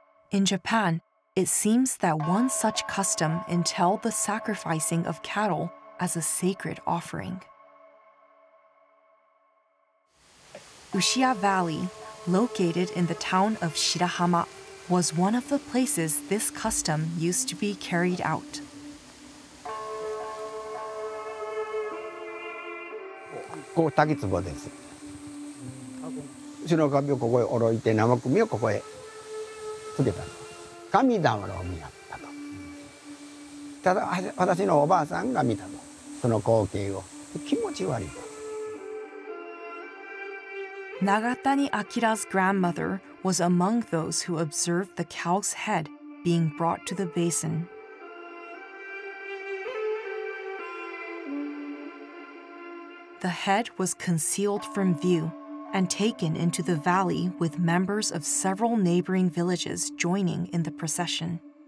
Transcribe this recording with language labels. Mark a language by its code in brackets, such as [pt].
[en] In Japan, it seems that one such custom entailed the sacrificing of cattle as a sacred offering. Ushia Valley, located in the town of Shirahama, was one of the places this custom used to be carried out. [ja] ここ滝壺です。牛の髪をここへおろいて生首をここへつけたの。神棚を見やったと。ただ私のおばあさんが見たの。その光景を。気持ち悪いと。 [en] 長谷明's grandmother was among those who observed the cow's head being brought to the basin. The head was concealed from view and taken into the valley with members of several neighboring villages joining in the procession.